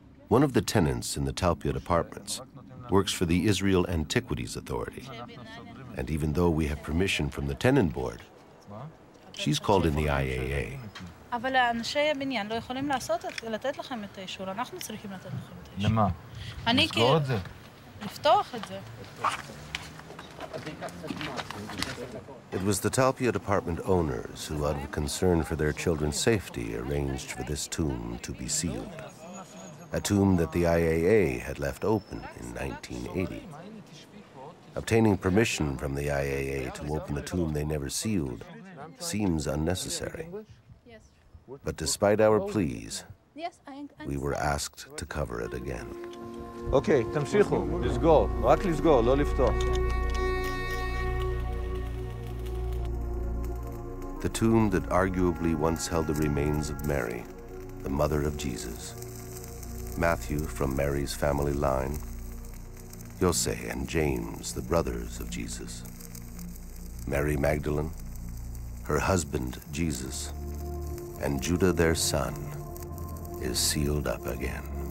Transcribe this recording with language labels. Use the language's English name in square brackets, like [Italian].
[English] One of the tenants in the Talpiot apartments works for the Israel Antiquities Authority. And even though we have permission from the tenant board, she's called in the IAA. [Hebrew] אבל אנשי הבניין לא יכולים לעשות את, לתת לכם את האישור. אנחנו צריכים לתת לכם את האישור. למה? אני כאילו... לסגור את זה. לפתוח את זה. [English] It was the Talpiot apartment owners who, out of concern for their children's safety, arranged for this tomb to be sealed. A tomb that the IAA had left open in 1980. Obtaining permission from the IAA to open the tomb they never sealed seems unnecessary. But despite our pleas, we were asked to cover it again. [Hebrew] Okay, תמשיכו, לסגור, רק לסגור, לא לפתוח. [English] The tomb that arguably once held the remains of Mary, the mother of Jesus. Matthew from Mary's family line. Jose and James, the brothers of Jesus. Mary Magdalene, her husband Jesus, and Judah, their son, is sealed up again.